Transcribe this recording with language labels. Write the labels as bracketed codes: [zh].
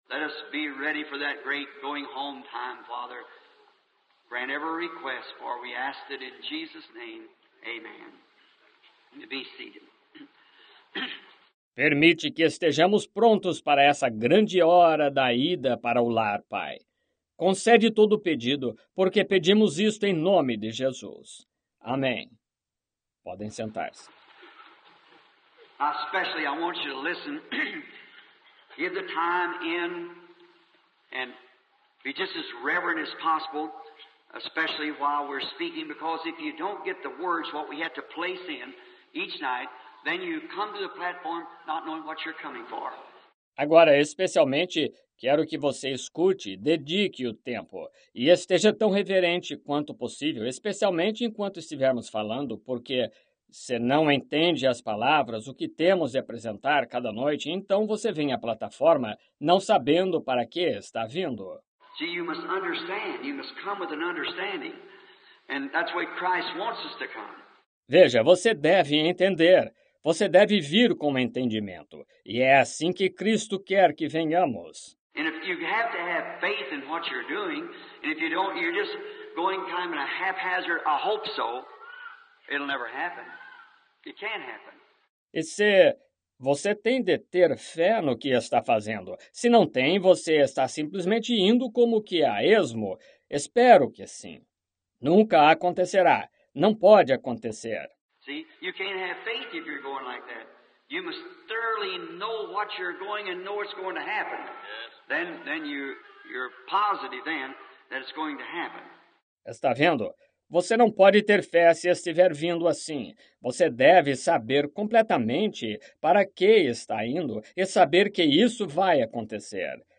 [en] Let us be ready for that great going home time, Father. Grant every request, for we ask it in Jesus' name. Amen. Be seated. [pt] Permite que estejamos prontos para essa grande hora da ida para o lar, Pai. Concede todo o pedido, porque pedimos isto em nome de Jesus. Amém. Podem sentar-se. [en] Especially I want you to listen. Give the time in and be just as reverent as possible, especially while we're speaking, because if you don't get the words what we have to place in each night, then you come to the platform not knowing what you're coming for. [pt] Agora, especialmente, quero que você escute, dedique o tempo e esteja tão reverente quanto possível, especialmente enquanto estivermos falando, porque se não entende as palavras, o que temos de apresentar cada noite, então você vem à plataforma não sabendo para que está vindo. [en] See, you must understand. You must come with an understanding. And that's why Christ wants us to come. [pt] Veja, você deve entender. Você deve vir com entendimento. E é assim que Cristo quer que venhamos. [en] And if you have to have faith in what you're doing, and if you don't, you're just going kind of in a haphazard, I hope so, it'll never happen. It can't happen. [pt] E se você tem de ter fé no que está fazendo? Se não tem, você está simplesmente indo como que a esmo? Espero que sim. Nunca acontecerá. Não pode acontecer. [en] See, you can't have faith if you're going like that. You must thoroughly know what you're going and know it's going to happen. Yes. Then you're positive then that it's going to happen. [pt] Está vendo? Você não pode ter fé se estiver vindo assim. Você deve saber completamente para que está indo e saber que isso vai acontecer.